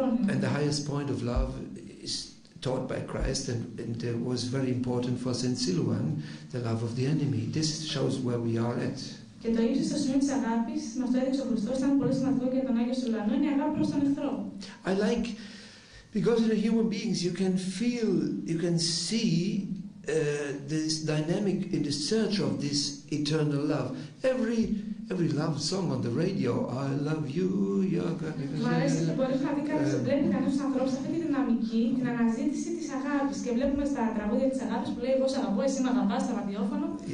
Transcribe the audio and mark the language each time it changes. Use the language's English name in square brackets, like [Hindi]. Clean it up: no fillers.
[English] And the highest point of love is taught by Christ, and was very important for Saint Silouan, the love of the enemy. This shows where we are at. [Greek] Και το ίδιο στο σημείο της αγάπης μας το έδειξε ο Χριστός, ήταν πολύ σημαντικό για τον Άγιο Σουλανό, είναι η αγάπη προς τον εχθρό. [English] I like, because in human beings you can feel, you can see this dynamic in the search of this eternal love. Every love song on the radio, I love you, you're going to be... [Greek] Μου αρέσει και μπορεί να δει κάποιος ανθρώπους σε αυτή τη δυναμική, την αναζήτηση της αγάπης. Και βλέπουμε στα τραγούδια της αγάπης που λέει εγώ σ' αγαπώ, εσύ με αγαπάς στο ραδιόφωνο.